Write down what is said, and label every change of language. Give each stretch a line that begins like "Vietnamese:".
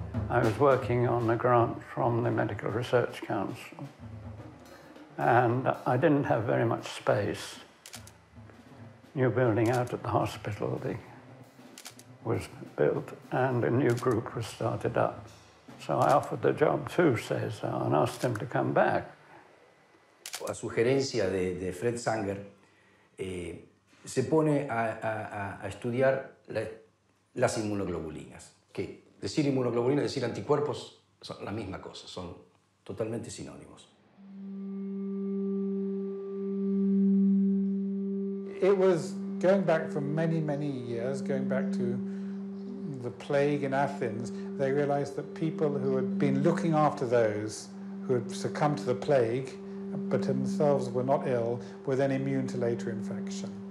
English: I was working on a grant from the Medical Research Council, and I didn't have very much space. New building out at the hospital was built and a new group was started up. So I offered the job to César and asked him to come back.
Spanish: A sugerencia de Fred Sanger, se pone a estudiar las inmunoglobulinas. Que decir inmunoglobulina, decir anticuerpos, son la misma cosa, son totalmente sinónimos.
English: It was going back for many, many years, going back to the plague in Athens, they realized that people who had been looking after those who had succumbed to the plague, but themselves were not ill, were then immune to later infection.